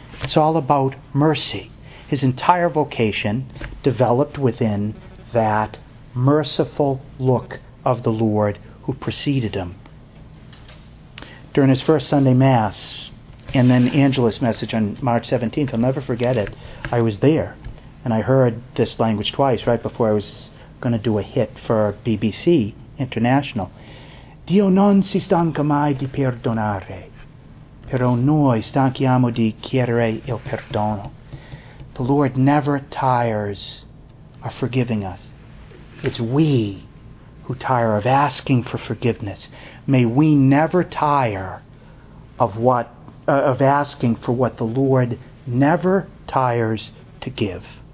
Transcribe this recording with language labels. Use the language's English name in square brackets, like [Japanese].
[English] It's all about mercy. His entire vocation developed within that merciful look of the Lord who preceded him. During his first Sunday Mass and then Angelus message on March 17th, I'll never forget it, I was there and I heard this language twice right before I was going to do a hit for BBC International. [Italian] Dio non si stanca mai di perdonare, però noi stanchiamo di chiedere il perdono. [English] The Lord never tires of forgiving us. It's we who tire of asking for forgiveness. May we never tire of asking for what the Lord never tires to give.